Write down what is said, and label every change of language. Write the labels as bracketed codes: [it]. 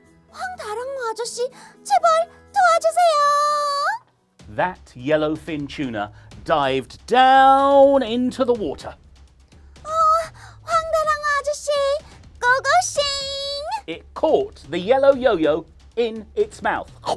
[ko] 황다랑어 아저씨, 제발 도와주세요! [en] That yellow fin tuna dived down into the water. [ko] Oh, 황다랑어 아저씨, 고고싱! [en] It caught the yellow yo-yo in its mouth.